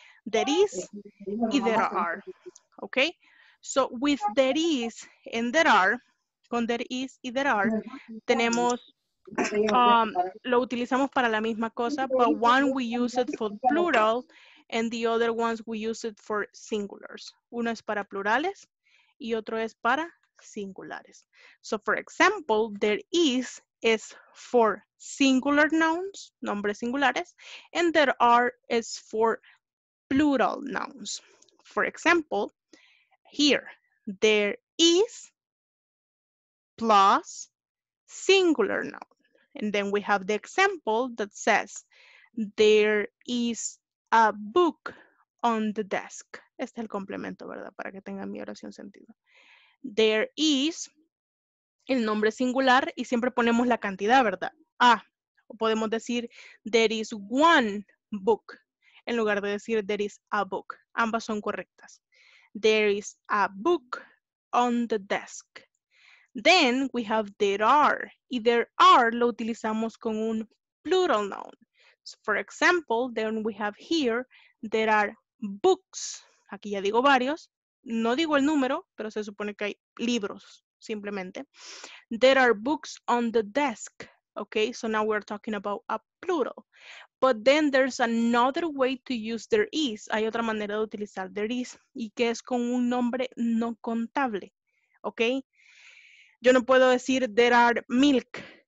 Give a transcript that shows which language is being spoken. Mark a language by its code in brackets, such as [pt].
[en] There is y there are. Okay? So with there is and there are, [es] con there is y there are, tenemos, lo utilizamos para la misma cosa, [en] but one we use it for plural and the other ones we use it for singulars. [es] Uno es para plurales y otro es para singulares. [en] So for example, there is for singular nouns, [es] nombres singulares, [en] and there are is for plural nouns. For example, here, there is plus singular noun. And then we have the example that says, there is a book on the desk. [es] Este es el complemento, ¿verdad? Para que tenga mi oración sentido. There is el nombre singular y siempre ponemos la cantidad, ¿verdad? Ah, podemos decir, there is one book. En lugar de decir there is a book. Ambas son correctas. There is a book on the desk. [en] Then we have there are. Y there are [es] lo utilizamos con un [en] plural noun. words. For example, then we have here, there are books. [es] Aquí ya digo varios. No digo el número, pero se supone que hay libros, simplemente. [en] There are books on the desk. Okay, so now we're talking about a plural. But then there's another way to use there is. [es] Hay otra manera de utilizar there is, y que es con un nombre no contable. Okay, yo no puedo decir there are milk.